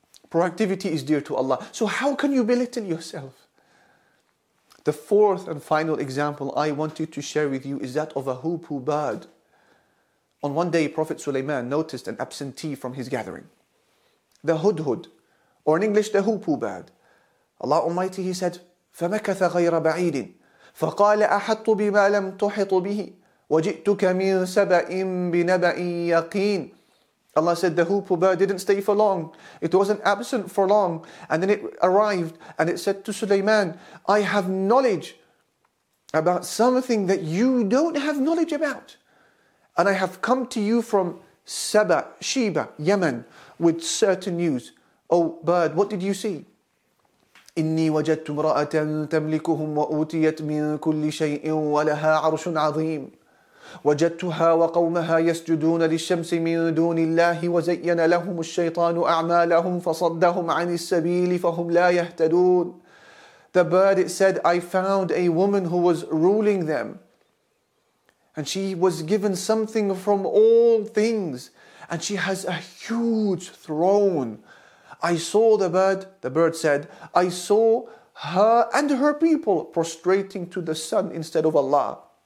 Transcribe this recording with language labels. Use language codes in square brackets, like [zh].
[en] Proactivity is dear to Allah. So how can you belittle yourself? The fourth and final example I wanted to share with you is that of a hoopoe bird. On one day, Prophet Sulaiman noticed an absentee from his gathering. The hudhud, or in English, the hoopoe bird. Allah Almighty, He said, [ar] فَمَكَثَ غَيْرَ بَعِيدٍ فَقَالَ أَحَطُ بِمَا لَمْ تُحِطُ بِهِ وَجِئْتُكَ مِنْ سَبَئٍ بِنَبَئٍ يَقِينٍ. [en] Allah said, the hoopoe bird didn't stay for long. It wasn't absent for long. And then it arrived and it said to Sulaiman, I have knowledge about something that you don't have knowledge about. And I have come to you from Saba, Sheba, Yemen, with certain news. Oh bird, what did you see? [ar] إني وجدت امرأة تملكهم وأوتيت من كل شيء ولها عرش عظيم وجدتها وقومها يسجدون للشمس من دون الله وزين لهم الشيطان أعمالهم فصدهم عن السبيل فهم لا يهتدون. [en] The bird, it said, I found a woman who was ruling them and she was given something from all things and she has a huge throne. I saw the bird said, I saw her and her people prostrating to the sun instead of Allah.